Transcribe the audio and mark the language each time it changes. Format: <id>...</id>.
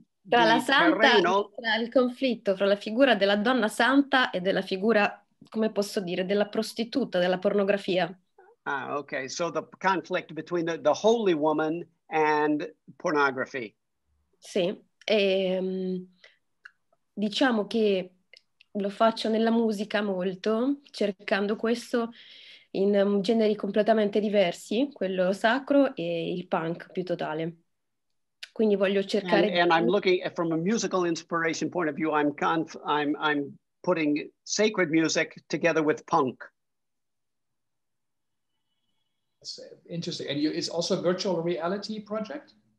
<it>tra la santa, tra il conflitto fra la figura della donna santa e della figura, come posso dire, della prostituta, della pornografia.</it> <en>Ah, okay. So the conflict between the holy woman and pornography.</en> <it>Sì, e, diciamo che lo faccio nella musica molto, cercando questo in generi completamente diversi, quello sacro e il punk più totale. Quindi voglio cercare.</it> <en>And I'm looking at, from a musical inspiration point of view. I'm putting sacred music together with punk. That's interesting. And you, it's also a virtual reality project?</en>